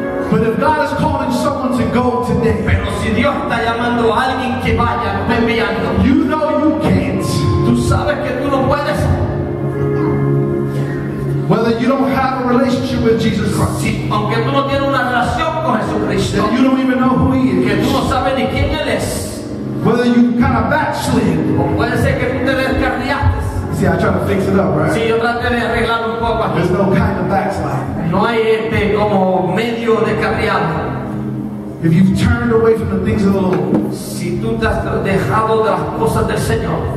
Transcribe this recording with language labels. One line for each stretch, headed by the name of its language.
English: But if God is calling someone to go today,
Spanish: pero si Dios está llamando a alguien que vaya, me enviando.
English: You know you can't.
Spanish: Tú sabes que tú no puedes.
English: Whether you don't have a relationship with Jesus Christ,
Spanish: si, aunque tú no tienes una relación con Jesucristo,
English: then you don't even know who he is.
Spanish: Que tú no sabes ni quién él es.
English: Whether you kind of backslid,
Spanish: o puede ser que tú te descarriates.
English: See, I try to fix it up, right?
Spanish: Si, yo traté de arreglar un poco.
English: There's no kind of backslide.
Spanish: No hay este como medio descarriado.
English: If you've turned away from the things of the Lord,
Spanish: si tú te has dejado de las cosas del Señor,